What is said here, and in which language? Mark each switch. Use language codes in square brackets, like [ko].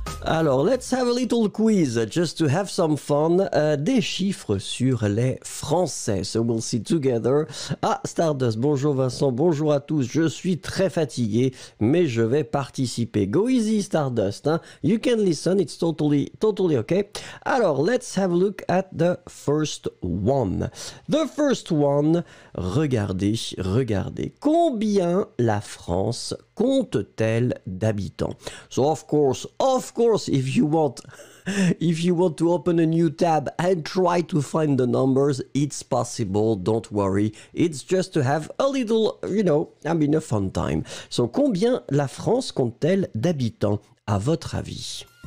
[en] Alors, let's have a little quiz, just to have some fun. [fr] Des chiffres sur les Français. [en] So we'll see together. [fr] Ah, Stardust, bonjour Vincent, bonjour à tous. Je suis très fatigué, mais je vais participer. [en] Go easy, Stardust. Hein? You can listen, it's totally okay. Alors, let's have a look at the first one. The first one, [fr] regardez. Combien la France compte-t-elle d'habitants? [en] So of course, if you want to open a new tab and try to find the numbers, it's possible, don't worry. It's just to have a little, you know, I mean a fun time. [fr] So combien la France compte-t-elle d'habitants, à votre avis?